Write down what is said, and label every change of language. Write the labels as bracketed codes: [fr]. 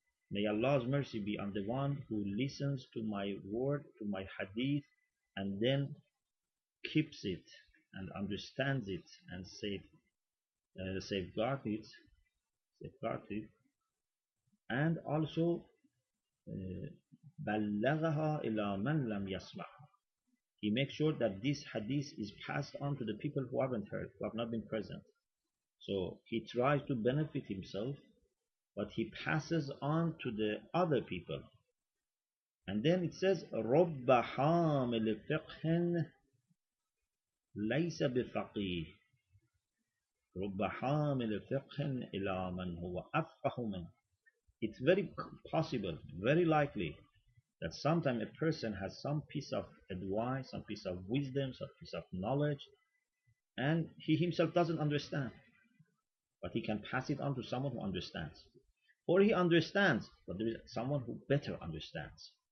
[en] May Allah's mercy be on the one who listens to my word, to my hadith, and then keeps it and understands it and safeguards it, and also [ar] بلغها إلى من لم يسمع. [en] He makes sure that this hadith is passed on to the people who haven't heard, who have not been present. So he tries to benefit himself, but he passes on to the other people. And then it says, [ar] رُبَّ حَامِلِ فِقْهٍ لَيْسَ بِفَقِيهِ رُبَّ حَامِلِ فِقْهٍ إِلَى مَنْ هُوَ أَفْقَهُ مَنْ. [en] It's very possible, very likely, that sometimes a person has some piece of advice, some piece of wisdom, some piece of knowledge, and he himself doesn't understand. But he can pass it on to someone who understands. Or he understands, but there is someone who better understands.